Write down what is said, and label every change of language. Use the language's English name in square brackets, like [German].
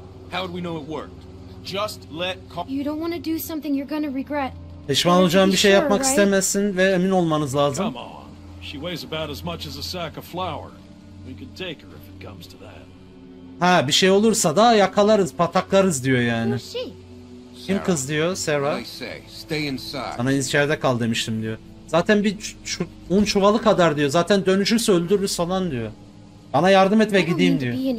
[English] How would we know it worked? Just let. You don't want to do something you're going to regret. [Turkish] Pişman olacağın bir şey yapmak istemezsin ve emin olmanız lazım. [English] Come on. She weighs about as much as a sack of flour. We could take her if it comes to that. [Turkish] Ha, bir şey olursa da yakalarız, pataklarız diyor yani. Kim kız diyor, Sarah. Sana içeride kal demiştim diyor. Zaten bir un çuvalı kadar diyor. Zaten dönüşürse öldürürüz falan diyor. Bana yardım et ve gideyim diyor.